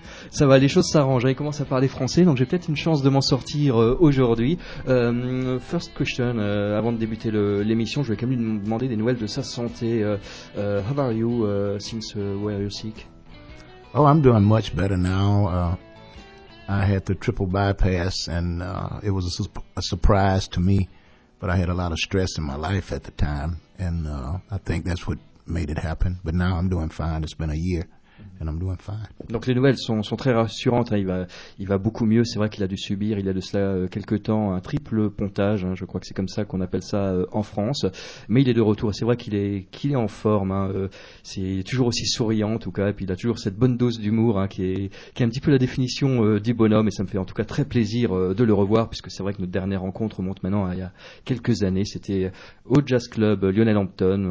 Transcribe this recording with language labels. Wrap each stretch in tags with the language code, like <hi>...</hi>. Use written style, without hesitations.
<fr>Ça va, les choses s'arrangent, j'avais commencé à parler français, donc j'ai peut-être une chance de m'en sortir aujourd'hui.</fr> <en>First question,</en> <fr>avant de débuter l'émission, je vais quand même lui demander des nouvelles de sa santé.</fr> <en>How are you since where are you sick? Oh, I'm doing much better now. I had the triple bypass and it was a surprise to me, but I had a lot of stress in my life at the time and I think that's what made it happen. But now I'm doing fine, it's been a year. And I'm doing fine.</en> <fr>Donc les nouvelles sont très rassurantes, hein. il va beaucoup mieux, c'est vrai qu'il a dû subir il y a de cela quelques temps un triple pontage, hein. Je crois que c'est comme ça qu'on appelle ça en France, mais il est de retour, c'est vrai qu'il est en forme, hein. C'est toujours aussi souriant en tout cas, et puis il a toujours cette bonne dose d'humour, hein, qui est un petit peu la définition du bonhomme, et ça me fait en tout cas très plaisir de le revoir, puisque c'est vrai que notre dernière rencontre remonte maintenant à il y a quelques années, c'était au Jazz Club Lionel Hampton.</fr>